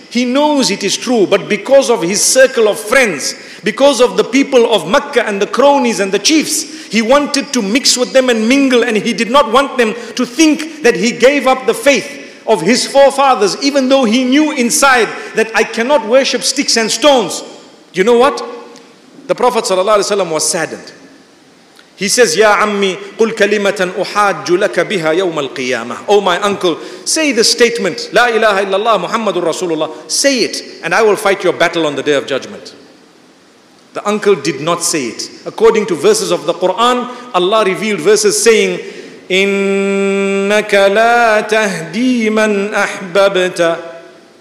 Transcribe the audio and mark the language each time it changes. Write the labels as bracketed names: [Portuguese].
[English] He knows it is true, but because of his circle of friends, because of the people of Makkah and the cronies and the chiefs, he wanted to mix with them and mingle, and he did not want them to think that he gave up the faith of his forefathers, even though he knew inside that I cannot worship sticks and stones. You know what? The Prophet sallallahu alayhi wa sallam was saddened. He says, Ya Ammi, [Arabic] قُلْ كَلِمَةً أُحَاجُّ لَكَ بِهَا يَوْمَ الْقِيَامَةِ. [English] Oh my uncle, say the statement, [Arabic] La ilaha illallah Muhammadur Rasulullah. [English] Say it, and I will fight your battle on the day of judgment. The uncle did not say it. According to verses of the Quran, Allah revealed verses saying, [Arabic] إِنَّكَ لَا تَهْدِي مَنْ أَحْبَبْتَ